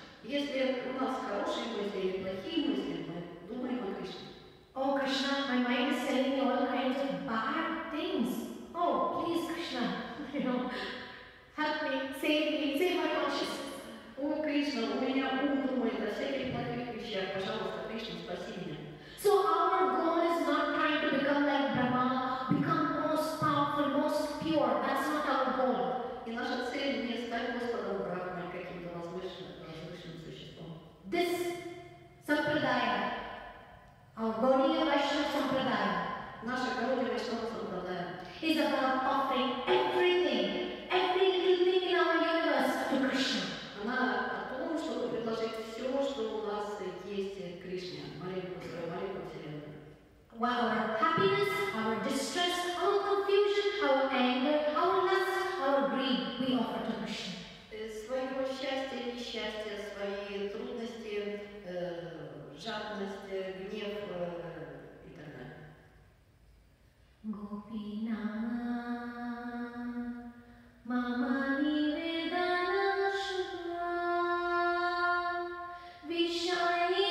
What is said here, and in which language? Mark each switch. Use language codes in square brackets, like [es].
[ru] Если у нас хорошие мысли или плохие мысли, мы думаем о Кришне. [en] Oh Krishna, my mind is telling me all kinds of bad things. Oh, please Krishna, help me, save my consciousness. [ru] Oh Krishna, у меня ум думает о всяких плохих вещах. Пожалуйста, Кришна, спаси меня. [en] So our goal is not trying to become like Brahma, become most powerful, most pure. That's not our goal. [ru] И наша цель не стать Господом Брахмой, каким-то возвышенным существом. [en] This sampradaya, our Gaudiya Vaishnava sampradaya, [ru] наша Gaudiya Vaishnava sampradaya, [en] is about offering everything, every little thing in our universe to Krishna. [ru] Она о том, чтобы предложить все, что у нас есть Кришне, маленькую, маленькую вселенную. [en] Well, our happiness, our distress, our confusion, our anger, our lust, our greed, we offer to Krishna. [ru] Своё счастье, несчастье, свои трудности, жадность, гнев и так далее. [sa] Гопина, мама неведана шума, вишай.